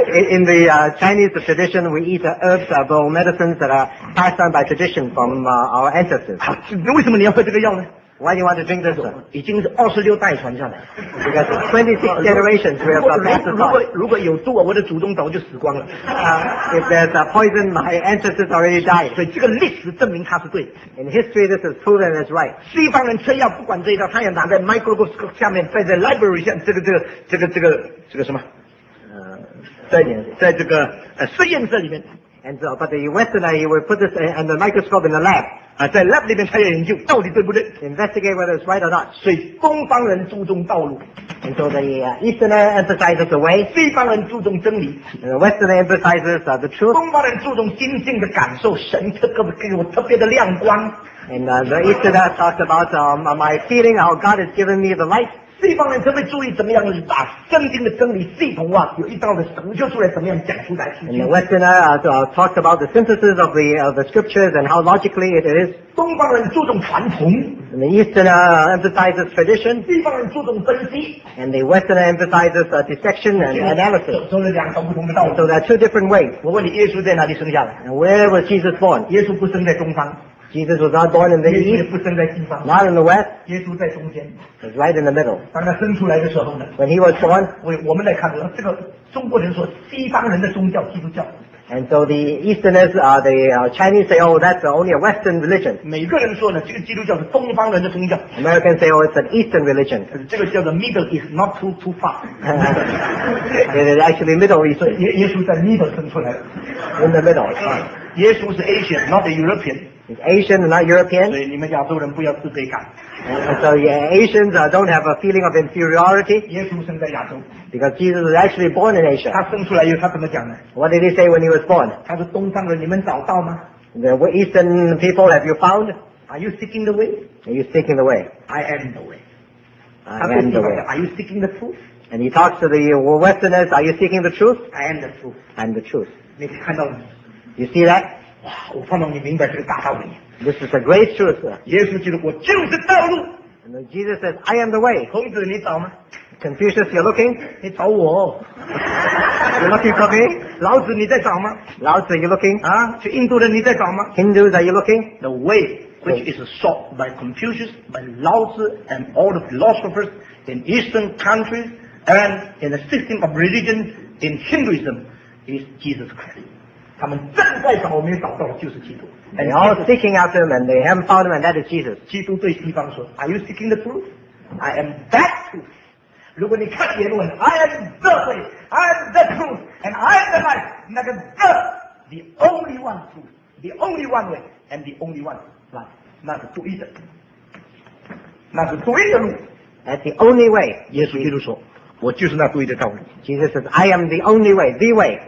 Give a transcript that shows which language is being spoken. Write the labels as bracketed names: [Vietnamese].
[English] In the Chinese tradition, we eat herbs, herbal medicines that are passed on by tradition from our ancestors. [Chinese] 为什么你要喝这个药呢？ [English] Why do you want to drink this? [Chinese] 已经是二十六代传下来。 [English] 26 generations we have passed on. [Chinese] 如果有毒，我的祖宗早就死光了。 [English] If there's a poison, my ancestors already died. [Chinese] 所以这个历史证明它是对。 [English] In history, this is proven as right. [Chinese] 西方人吃药不管这一套，他也拿在 microscope 下面，在 library 下，这个什么？在这个实验室里面。 [English] And so, but the Westerner, he will put this under the microscope in the lab. [Chinese] 在 lab 里面他也研究到底对不对。 [English] Investigate whether it's right or not. [Chinese] 所以东方人注重道路。 [English] And so the Easterner emphasizes the way. [Chinese] 西方人注重真理。 [English] The Westerner emphasizes the truth. [Chinese] 东方人注重心性的感受，神特别给我特别的亮光。 [English] And the Easterner talks about my feeling, how God has given me the light. [Chinese] 西方人特别注意怎么样把圣经的真理系统化，有一道的神就出来，怎么样讲出来。 [English] And the Westerner talks about the synthesis of the scriptures and how logically it is. [Chinese] 东方人注重传统。 [English] And the Easterner emphasizes tradition. [Chinese] 西方人注重分析。 [English] And the Westerner emphasizes dissection and analysis. [Chinese] 这是两种不同的道理。 [English] So there are two different ways. [Chinese] 我问你，耶稣在哪里生下来？ [English] And where was Jesus born? [Chinese] 耶稣不生在东方。 [English] Jesus was not born in the east, not in the west. [Chinese] Jesus 在中间 [English] was right in the middle. [Chinese] 当他生出来的时候呢 [English] when he was born, [Chinese] 我们来看这个中国人说西方人的宗教基督教。 [English] And so the Easterners, Chinese say, oh, that's only a Western religion. [Chinese] 每个人说呢，这个基督教是东方人的宗教。 [English] Americans say, oh, it's an Eastern religion. [Chinese] 这个叫做 [English] Middle East, not too far. It is actually Middle East. [Chinese] 耶稣在 Middle 生出来的。 [English] In the middle. [Chinese] 耶稣是 [English] Asian, not a European. It's Asian and not European. [Chinese] 所以你们亚洲人不要自卑感。 [English] So yeah, Asians don't have a feeling of inferiority. [Chinese] 耶稣生在亚洲。 [English] Because Jesus was actually born in Asia. [Chinese] 他生出来以后他怎么讲呢？ [English] What did he say when he was born? [Chinese] 他说东方人你们找到吗？ [English] The Eastern people have you found? Are you seeking the way? Are you seeking the way? I am the way. I am the way. Are you seeking the truth? And he talks to the Westerners, are you seeking the truth? I am the truth. I am the truth. [Chinese] 你看到吗？ [English] You see that? [Chinese] 哇，我盼望你明白这个大道理。 [English] This is a great truth. [Chinese] 耶稣基督，我就是道路。 [English] And Jesus says, I am the way. [Chinese] 孔子，你找吗？ [English] Confucius, you're looking. [Chinese] 你找我。 [English] You're looking for me. [Chinese] 老子，你在找吗？ [English] 老子， you're looking. [Chinese] 啊，去印度的，你在找吗？ [English] Hindus, are you looking? The way, which is sought by Confucius, by Lao Tzu, and all the philosophers in Eastern countries, and in the system of religion in Hinduism, is Jesus Christ. [Chinese] 他们正在找，我们也找到了，就是基督。 [English] And they are seeking after him, and they haven't found him, and that is Jesus. [Chinese] 基督对西方说 [English] ，Are you seeking the truth? I am that truth. [Chinese] 如果你看原文 [English] ，I am the way, I am the truth, and I am the life. [Chinese] 那个 [English] the only one truth, the only one way, and the only one life. [Chinese] 那是独一的，那是独一的路。 [English] That's the only way. [Chinese] 耶稣基督说，我就是那独一的道路。 [English] Jesus says, I am the only way, the way.